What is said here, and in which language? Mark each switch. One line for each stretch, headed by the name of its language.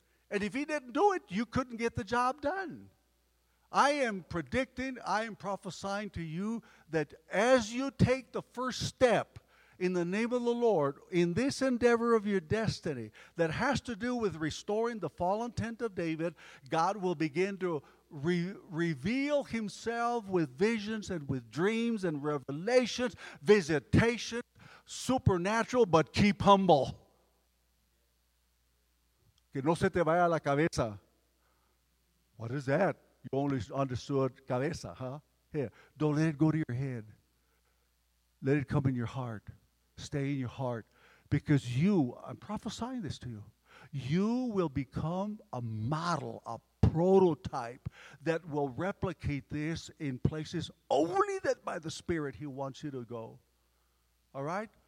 English: And if he didn't do it, you couldn't get the job done. I am predicting, I am prophesying to you that as you take the first step in the name of the Lord in this endeavor of your destiny that has to do with restoring the fallen tent of David, God will begin to reveal himself with visions and with dreams and revelations, visitation, supernatural, but keep humble.
Spanish: Que no se te vaya la cabeza.
English: What is that? You only understood cabeza, huh? Here, don't let it go to your head. Let it come in your heart. Stay in your heart. Because you, I'm prophesying this to you, you will become a model, a prototype that will replicate this in places only that by the Spirit he wants you to go. All right?